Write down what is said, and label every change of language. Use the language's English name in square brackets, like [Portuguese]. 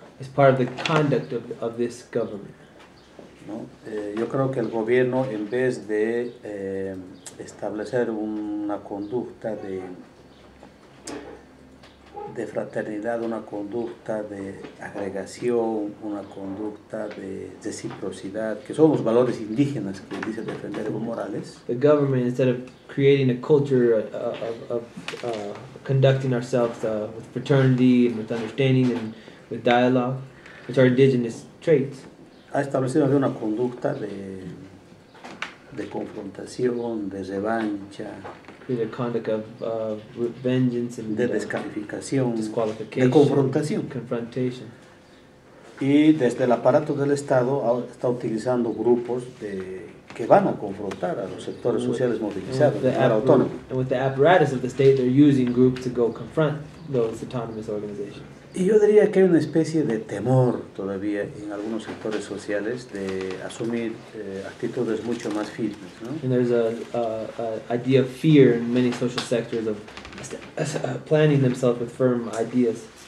[English] It's part of the conduct of this government. [Spanish] No, yo creo que el gobierno, en vez de establecer una conducta de fraternidad, una conducta de agregación, una conducta de reciprocidad, que son los valores indígenas que dice defender Evo Morales. [English] The government, instead of creating a culture of conducting ourselves with fraternity and with understanding and with dialogue, which are indigenous traits, [Spanish] ha establecido una conducta de confrontación, de revancha, [English] the conduct of vengeance and [Spanish] de descalificación, [English] disqualification, [Spanish] de confrontación. [English] Confrontation. [Spanish] Y desde el aparato del Estado está utilizando grupos que van a confrontar a los sectores sociales movilizados, autónomos. [English] And with the apparatus of the state, they're using groups to go confront those autonomous organizations. [Spanish] Y yo diría que hay una especie de temor todavía en algunos sectores sociales de asumir actitudes mucho más firmes, ¿no? [English] And there's a idea of fear in many social sectors of planning themselves with firm ideas.